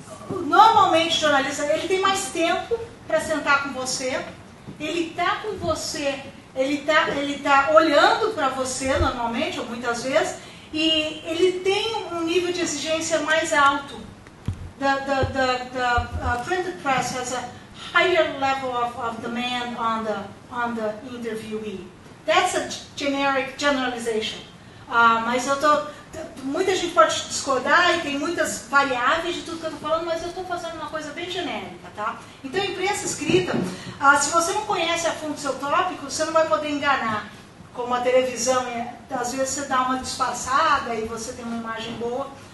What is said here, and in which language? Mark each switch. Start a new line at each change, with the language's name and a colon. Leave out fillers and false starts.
Portuguese: normalmente o jornalista, ele tem mais tempo para sentar com você, ele está com você, ele tá olhando para você normalmente, ou muitas vezes, e ele tem um nível de exigência mais alto.
English: The printed press has a higher level of demand on the interviewee. That's a generic generalization.
Portuguese: Mas eu tô, muita gente pode discordar e tem muitas variáveis de tudo que eu estou falando, mas eu estou fazendo uma coisa bem genérica, tá? Então, imprensa escrita, se você não conhece a fundo seu tópico, você não vai poder enganar. Como a televisão, às vezes você dá uma disfarçada e você tem uma imagem boa.